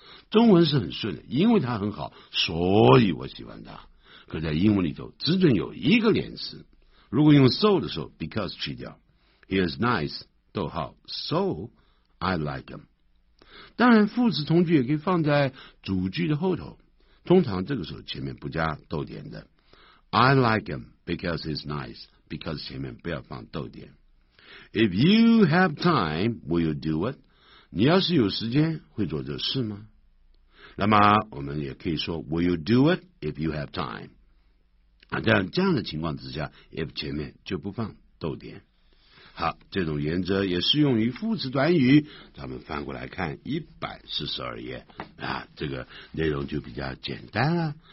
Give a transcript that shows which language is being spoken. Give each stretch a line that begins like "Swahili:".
Chinese: 中文是很顺的，因为他很好所以我喜欢他，可在英文里头只准有一个连词。如果用 so 的时候 because 去掉，
English: he is nice
Chinese: 逗号
English: so I like him。
Chinese: 当然副词从句也可以放在主句的后头，通常这个时候前面不加逗点的。
English: I like him because he's nice， because
Chinese: 前面不要放逗点。
English: If you have time, will you do it？
Chinese: 你要是有时间会做这事吗？那么我们也可以说
English: Will you do it if you have time？
Chinese: 但这样的情况之下 if 前面就不放逗点。好，这种原则也适用于副词短语。咱们翻过来看142页啊，这个内容就比较简单了。